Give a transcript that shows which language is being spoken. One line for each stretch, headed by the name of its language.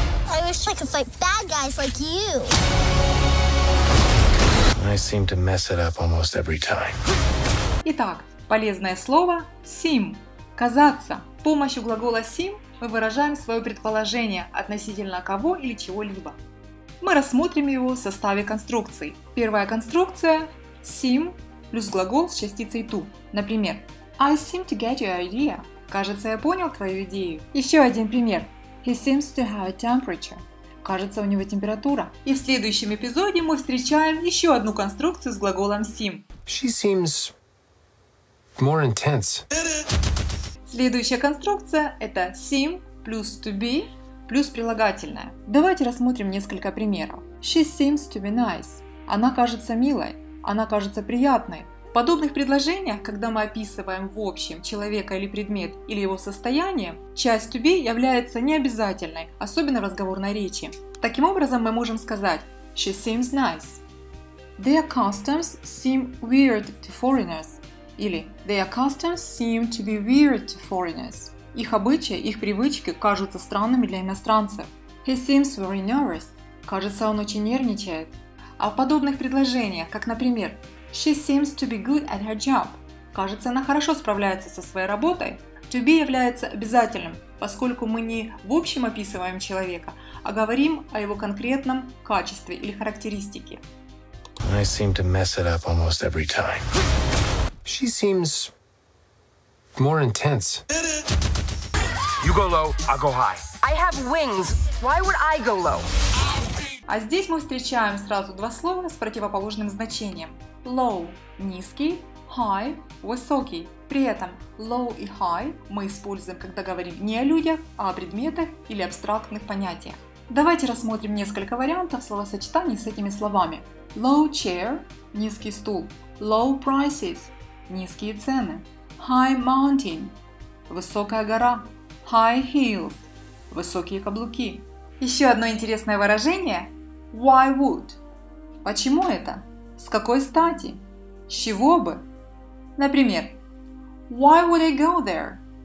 English: I wish I could fight bad guys like you. I seem to mess it up almost every time.
Russian: Итак, полезное слово seem. Казаться. С помощью глагола seem мы выражаем свое предположение относительно кого или чего-либо. Мы рассмотрим его в составе конструкций. Первая конструкция seem плюс глагол с частицей to. Например,
English: I seem to get your idea.
Russian: Кажется, я понял твою идею. Еще один пример.
English: He seems to have a temperature.
Russian: Кажется, у него температура. И в следующем эпизоде мы встречаем еще одну конструкцию с глаголом seem.
English: She seems more intense.
Russian: Следующая конструкция это seem плюс to be плюс прилагательное. Давайте рассмотрим несколько примеров.
English: She seems to be nice.
Russian: Она кажется милой. Она кажется приятной. В подобных предложениях, когда мы описываем в общем человека или предмет или его состояние, часть to be является необязательной, особенно в разговорной речи. Таким образом, мы можем сказать
English: she seems nice. Their customs seem weird to foreigners.
Russian: Или
English: their customs seem to be weird to foreigners.
Russian: Их обычаи, их привычки кажутся странными для иностранцев.
English: He seems very nervous.
Russian: Кажется, он очень нервничает. А в подобных предложениях, как например
English: She seems to be good at her job.
Russian: Кажется, она хорошо справляется со своей работой.
English: To be
Russian: является обязательным, поскольку мы не в общем описываем человека, а говорим о его конкретном качестве или характеристике.
English: I seem to mess it up almost every time. She seems more intense. You go low, I go high. I have wings. Why would I go low?
Russian: А здесь мы встречаем сразу два слова с противоположным значением. Low – низкий, high – высокий. При этом low и high мы используем, когда говорим не о людях, а о предметах или абстрактных понятиях. Давайте рассмотрим несколько вариантов словосочетаний с этими словами.
English: Low chair
Russian: – низкий стул.
English: Low prices
Russian: – низкие цены.
English: High mountain
Russian: – высокая гора.
English: High heels
Russian: – высокие каблуки. Еще одно интересное выражение –
English: why would?
Russian: Почему это? С какой стати? С чего бы? Например,
English: why would I go there?